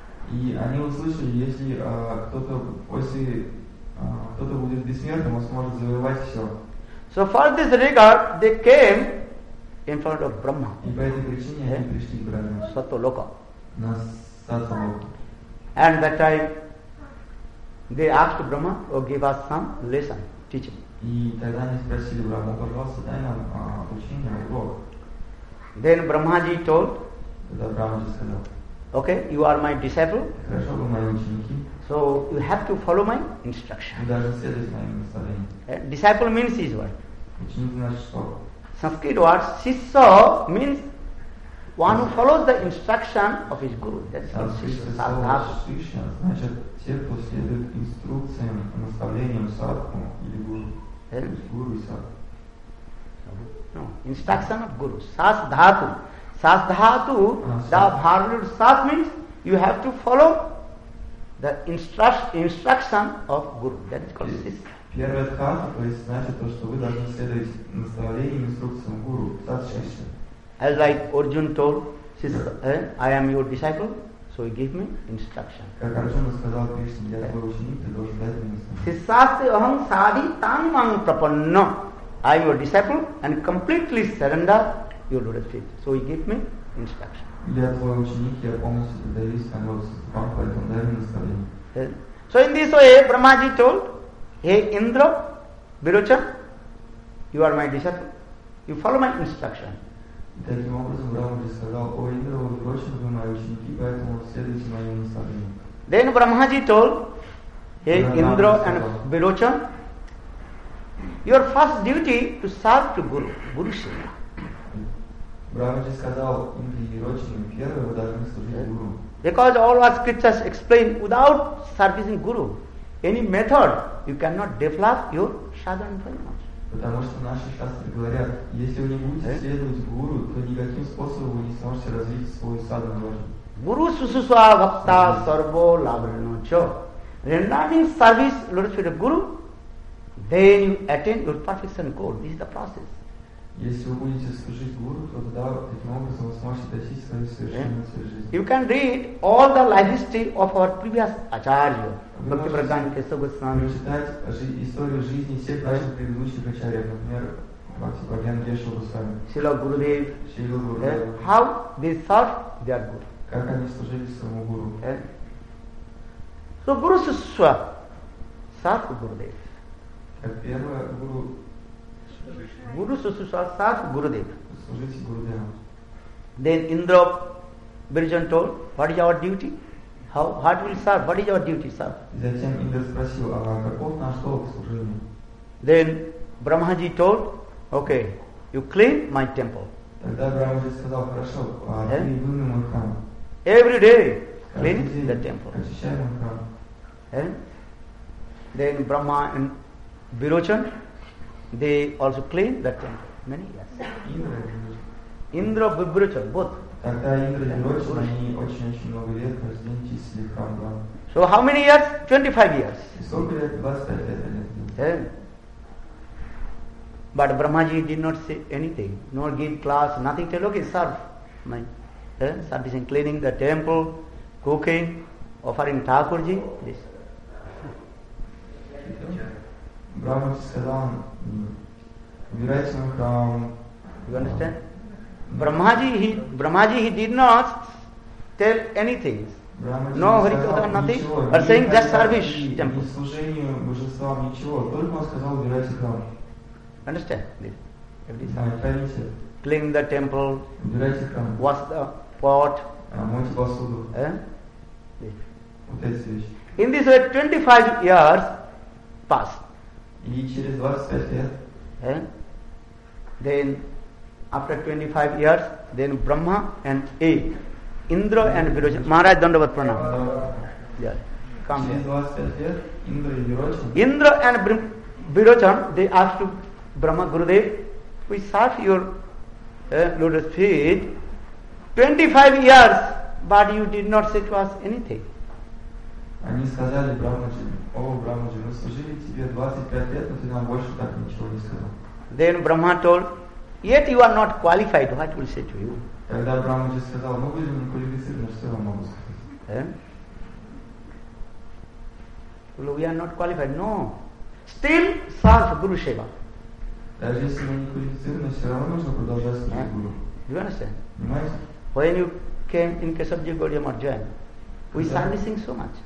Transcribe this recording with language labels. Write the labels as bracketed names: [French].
[Russian] они услышали, если кто-то будет бессмертным, он сможет завоевать все. [English] So for this regard, they came in front of Brahma. [Russian] И по этой причине они пришли к Брахме. Сатва лока. На сатва лока. [English] And that time they asked Brahma, oh, give us some lesson, teaching. [Russian] И тогда они спросили Брахму, пожалуйста, дай нам учение, урок. [English] Then Brahma ji told. [Russian] Тогда Брахма ji сказал. [English] Okay, you are my disciple. [Russian] Хорошо, вы мои ученики. [English] So you have to follow my instruction. [Russian] Вы должны следовать моим наставлениям. [English] Disciple means his word. [Russian] Ученик значит что? [English] Sanskrit word sissa means one who follows the instruction of his guru. [Russian] Значит, те, кто следует инструкциям, наставлениям садху или гуру. Гуру и садху. [English] No, instruction of guru. Sasdhatu. Sasdhatu, the Bharatiya sas means you have to follow the instruction of Guru. That is called sista. [Russian] Первая дхата, то есть значит то, что вы должны следовать наставлениям, инструкциям Гуру. [English] Sasdhatu. As like Arjun told, sista, I am your disciple, so give me instruction. [Russian] Как Арджуна сказал Кришне, я твой ученик, ты должен дать мне инструкцию. [Sanskrit] Sissasti aham sadhi tan mam prapanna. [English] I am your disciple and completely surrender your lotus feet. So he gave me instruction. [Russian] Я твой ученик, я полностью предаюсь твоему лотосам, поэтому дай мне наставление. [English] So in this way, Brahmaji told, hey Indra, Virochan, you are my disciple. You follow my instruction. [Russian] Таким образом, Брахмаджи сказал, о Индра, вы Virochan, вы мои ученики, поэтому следуйте моему наставлению. [English] Then Brahmaji told, hey Indra and Virochan, your first duty to serve to Guru, Guru Shiva. [Russian] Брахмаджи сказал Индре и Вирочане, первое, вы должны служить Гуру. [English] Because all our scriptures explain, without servicing Guru, any method, you cannot develop your sadhana prayamas. [Russian] Потому что наши шастры говорят, если вы не будете следовать Гуру, то никаким способом вы не сможете развить свой садхана прайма. [Sanskrit] Гуру сусусва вапта сарво лабрино чо. [English] Rendering service Lord's feet of Guru, then you attain your perfection goal. This is the process. [Russian] Если вы будете служить Гуру, то тогда таким образом вы сможете достичь своей совершенной своей жизни. [English] You can read all the life history of our previous Acharya. [Russian] Бхакти Прагьян Кесава Госвами. Вы можете читать историю жизни всех наших предыдущих Ачарьев, например, Бхакти Прагьян Кесава Госвами. Шрила Гурудев. Шрила Гурудев. [English] How they served their Guru. [Russian] Как они служили своему Гуру. [Sanskrit] So Guru Сусва. Сарх Гурудев. [Russian] Как первое Гуру. [Sanskrit] Guru Sususa Sat Gurudev. [Russian] Служите Гурудеву. [English] Then Indra Virochan told, what is your duty? How what will serve? What is your duty, sir? [Russian] Затем Индра спросил, а каков наш долг служения? [English] Then Brahmaji told, okay, you clean my temple. [Russian] Тогда Брахмаджи сказал, хорошо, ты вымой мой храм. [English] Every day clean the temple. [Russian] Очищай мой храм. [English] Then Brahma and Virochan. They also clean that temple. Many years. Indra and Virochan, both. [Russian] Тогда Индра и Вирочан, они очень-очень много лет каждый день чистили храм. [English] So how many years? 25 years. [Russian] Сколько лет? 25 лет. [English] But Brahmaji did not say anything, nor give class, nothing. Tell, okay, serve. My service in cleaning the temple, cooking, offering Thakurji, this. [Russian] Брахмаджи сказал, убирайте свой храм. [English] You understand? Брахмаджи, he did not tell anything. No, Харикатха, nothing. But saying just service temple. [Russian] Ни служению божествам, ничего. Только он сказал, убирайте храм. [English] Understand? [Russian] Понимаете? [English] Clean the temple. [Russian] Убирайте храм. [English] Wash the pot. [Russian] Мойте посуду. Вот эти вещи. [English] In this way, 25 years, past. [Russian] И через 25 лет. [English] And then after 25 years, then Brahma and egg, Indra and Virocha. Maharaj Dandavat Pranam. Yeah. Come. [Russian] Через 25 лет, Indra and Virocha. [English] Indra and Virocha, they asked to Brahma, Gurudev, we serve your lotus feet 25 years, but you did not say to us anything. [Russian] Они сказали Брахмаджи, о Брахмаджи, мы служили тебе 25 лет, но ты нам больше так ничего не сказал. [English] Then Brahma told, yet you are not qualified, what will say to you? [Russian] Тогда Брахмаджи сказал, мы будем не квалифицированы, что я вам могу сказать? [English] Well, we are not qualified, no. Still serve Guru Seva. [Russian] Даже если мы не квалифицированы, все равно нужно продолжать служить Гуру. [English] You understand? [Russian] Понимаете? [English] When you came in Kesavji Gaudiya Marjan, we are missing so much.